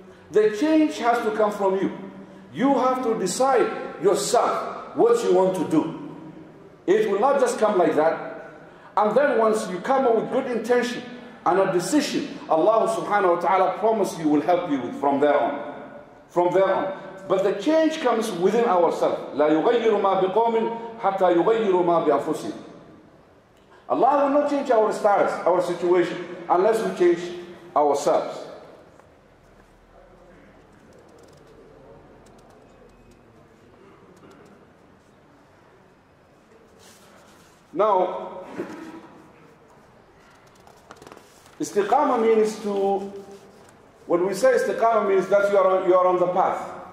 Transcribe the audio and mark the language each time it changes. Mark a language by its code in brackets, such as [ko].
[en] The change has to come from you. You have to decide yourself what you want to do. It will not just come like that. And then once you come up with good intention and a decision, Allah subhanahu wa ta'ala promise you will help you with from there on. From there on. But the change comes within ourselves. [ar] لا يغير ما بقوم حتى يغير ما بأنفسهم. [en] Allah will not change our status, our situation, unless we change ourselves. Now, istiqama means to, when we say istiqama means that you are on the path.